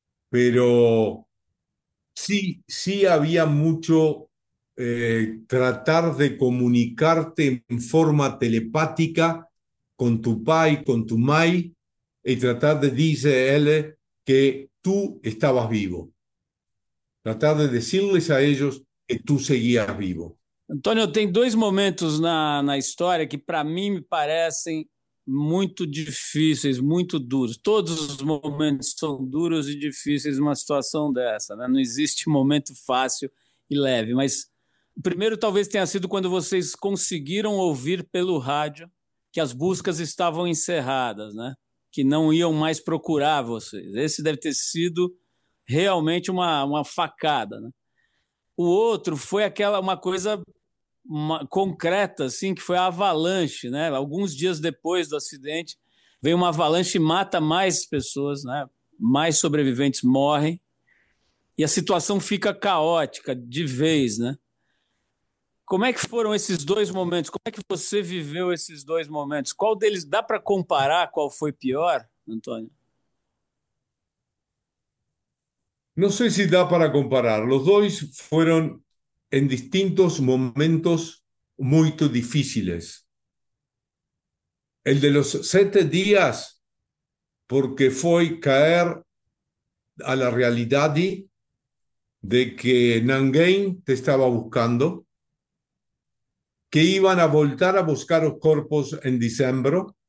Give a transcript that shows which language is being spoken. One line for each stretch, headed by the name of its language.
Spanish: Pero sí, sí había mucho tratar de comunicarte en forma telepática con tu
Portuguese: pai,
Spanish: con tu
Portuguese: mai,
Spanish: y tratar de decirle que tú estabas vivo. Tratar de decirles a ellos que tú seguías vivo.
Portuguese: Antônio, tem dois momentos na história que para mim me parecem muito difíceis, muito duros. Todos os momentos são duros e difíceis numa situação dessa, né? Não existe momento fácil e leve. Mas o primeiro talvez tenha sido quando vocês conseguiram ouvir pelo rádio que as buscas estavam encerradas, né? Que não iam mais procurar vocês. Esse deve ter sido realmente uma facada, né? O outro foi aquela uma coisa concreta, assim, que foi a avalanche, né? Alguns dias depois do acidente, vem uma avalanche e mata mais pessoas, né? Mais sobreviventes morrem e a situação fica caótica de vez, né? Como é que foram esses dois momentos? Como é que você viveu esses dois momentos? Qual deles dá para comparar qual foi pior, Antônio?
Spanish: No sé si da para comparar. Los dos fueron en distintos momentos muy difíciles. El de los 7 días, porque fue caer a la realidad de que Nanguén te estaba buscando, que iban a volver a buscar los cuerpos en diciembre.